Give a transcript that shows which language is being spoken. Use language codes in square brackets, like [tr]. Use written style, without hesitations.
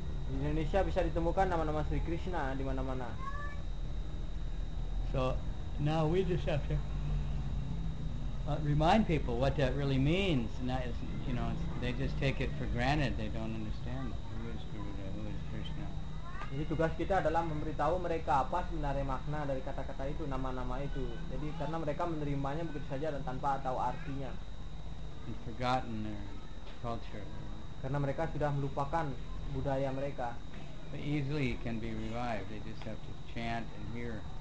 [id] Di Indonesia bisa ditemukan nama-nama Sri Krishna di mana-mana. [en] So now we just have to remind people what that really means. Now, you know, they just take it for granted. They don't understand who is Garuda, who is Krishna. [id] Jadi tugas kita adalah memberitahu mereka apa sebenarnya makna dari kata-kata itu, nama-nama itu. Jadi karena mereka menerimanya begitu saja dan tanpa tahu artinya. [en] And forgotten their culture. [id] Karena mereka sudah melupakan budaya mereka. [en] But easily can be revived. They just have to chant and hear.